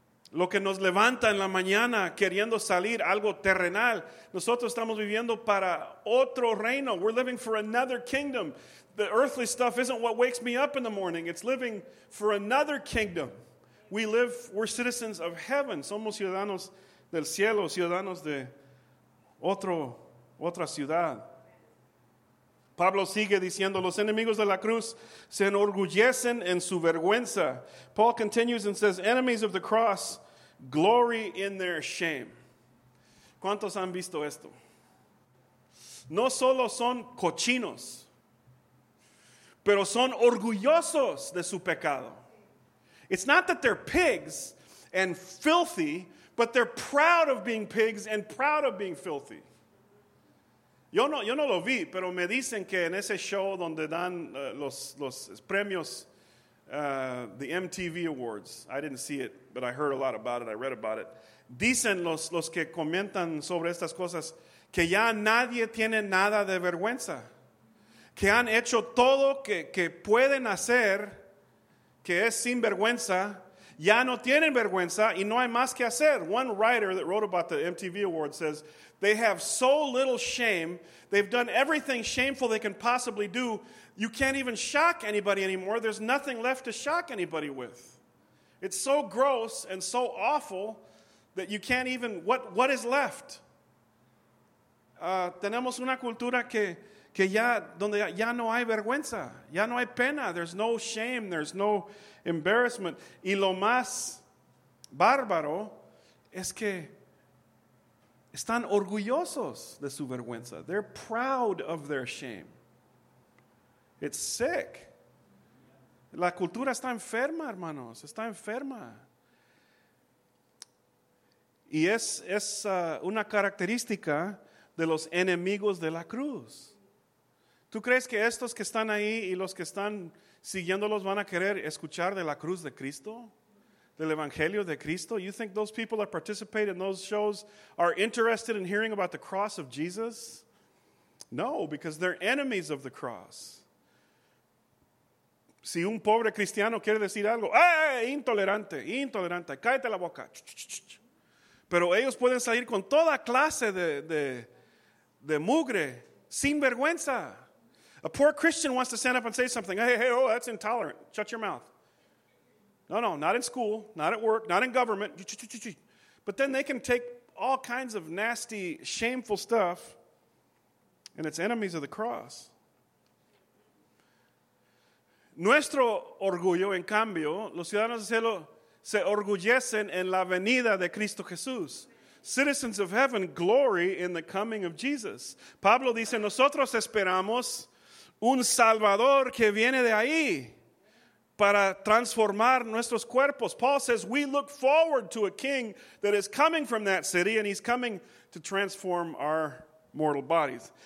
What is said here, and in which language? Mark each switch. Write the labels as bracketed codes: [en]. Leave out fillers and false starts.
[es] Lo que nos levanta en la mañana queriendo salir algo terrenal. Nosotros estamos viviendo para otro reino. [en] We're living for another kingdom. The earthly stuff isn't what wakes me up in the morning. It's living for another kingdom. We're citizens of heaven. [es] Somos ciudadanos del cielo, ciudadanos de otra ciudad. Pablo sigue diciendo, los enemigos de la cruz se enorgullecen en su vergüenza. [en] Paul continues and says, enemies of the cross glory in their shame. [es] ¿Cuántos han visto esto? No solo son cochinos, pero son orgullosos de su pecado. [en] It's not that they're pigs and filthy, but they're proud of being pigs and proud of being filthy. [es] Yo no lo vi, pero me dicen que en ese show donde dan los premios, [en] the MTV Awards, I didn't see it, but I heard a lot about it, I read about it. [es] Dicen los que comentan sobre estas cosas que ya nadie tiene nada de vergüenza. Que han hecho todo que pueden hacer, que es sin vergüenza. Ya no tienen vergüenza y no hay más que hacer. [en] One writer that wrote about the MTV Awards says, they have so little shame, they've done everything shameful they can possibly do, you can't even shock anybody anymore, there's nothing left to shock anybody with. It's so gross and so awful that you can't even, what is left? [es] Tenemos una cultura que ya, donde ya no hay vergüenza, ya no hay pena, [en] there's no shame, there's no embarrassment. [es] Y lo más bárbaro es que están orgullosos de su vergüenza. [en] They're proud of their shame. It's sick. [es] La cultura está enferma, hermanos. Está enferma. Y es una característica de los enemigos de la cruz. ¿Tú crees que estos que están ahí y los que están siguiéndolos van a querer escuchar de la cruz de Cristo? Del Evangelio de Cristo? [en] You think those people that participate in those shows are interested in hearing about the cross of Jesus? No, because they're enemies of the cross. [es] Si un pobre cristiano quiere decir algo, ¡ay, intolerante, intolerante! ¡Cállate la boca! Pero ellos pueden salir con toda clase de mugre, sin vergüenza. [en] A poor Christian wants to stand up and say something. Hey, oh, that's intolerant. Shut your mouth. No, not in school, not at work, not in government. But then they can take all kinds of nasty, shameful stuff, and it's enemies of the cross. [es] Nuestro orgullo, en cambio, los ciudadanos del cielo se orgullecen en la venida de Cristo Jesús. [en] Citizens of heaven glory in the coming of Jesus. [es] Pablo dice, nosotros esperamos un Salvador que viene de ahí. para transformar nuestros cuerpos. [en] Paul says we look forward to a king that is coming from that city, and he's coming to transform our mortal bodies.